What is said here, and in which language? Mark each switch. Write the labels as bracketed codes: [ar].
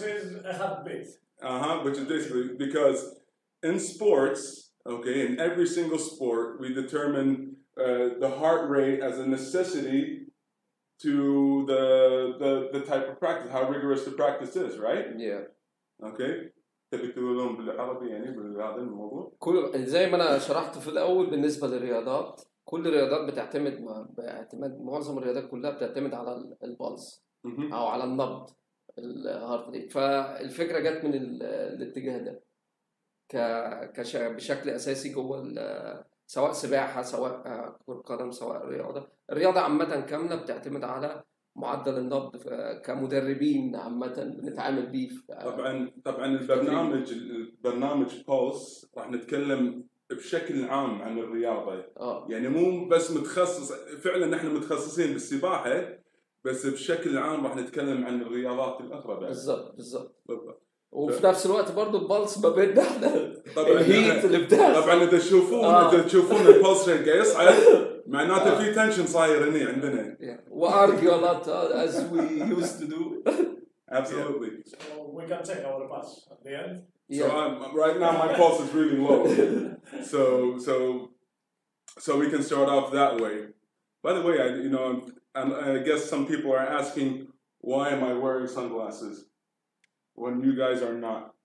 [en] Which is a heartbeat. Which is basically because in sports, okay, in every single sport, we determine the heart rate as a necessity to the type of practice, how rigorous the practice is, right? Yeah. Okay. [ar] تبي تقول لهم بالعربي يعني بالعادة الموضوع؟ كل زي ما أنا شرحت في الأول بالنسبة للرياضات كل الرياضات بتعتمد معظم الرياضات كلها بتعتمد على البالز أو على النبض الهارت ريت فالفكرة جت من الاتجاه ده بشكل أساسي جوه سواء سباحة سواء كرة قدم سواء رياضة الرياضة عامة كاملة بتعتمد على معدل النبض كمدربين عامة بنتعامل بيه طبعا البرنامج بولس راح نتكلم بشكل عام عن الرياضة يعني مو بس متخصص فعلا نحن متخصصين بالسباحة بس بشكل عام راح نتكلم عن الرياضات الأخرى بعد بالضبط وفي نفس الوقت برضو البالس ما بيننا احنا طبعًا الهيت اللي بتاعنا طبعا اذا تشوفون البالس رجع يصعد معناته في تنشن صاير هنا عندنا [en] وارجيو a lot as we used to do absolutely yeah. So we can take our pass at the end yeah. So I'm, right now my pulse is really low so we can start off that way by the way I guess some people are asking why am I wearing sunglasses when you guys are not.